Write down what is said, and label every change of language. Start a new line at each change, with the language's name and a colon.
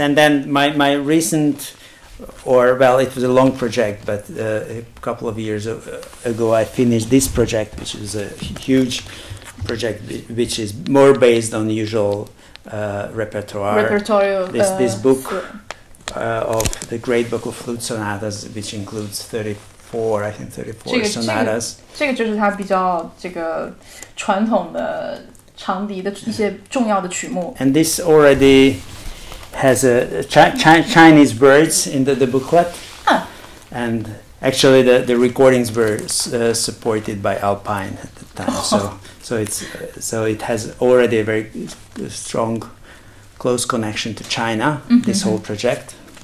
English: And then my recent, or well, it was a long project, but a couple of years ago, I finished this project, which is a huge project, which is more based on usual repertoire. This book. Of the Great Book of Flute Sonatas, which includes 34 sonatas.
Chinese: 这个就是它比较这个传统的长笛的一些重要的曲目。
English: And this already has Chinese words in the booklet. And actually the recordings were supported by Alpine at the time. So it has already a very strong, close connection to China, mm-hmm. this whole project.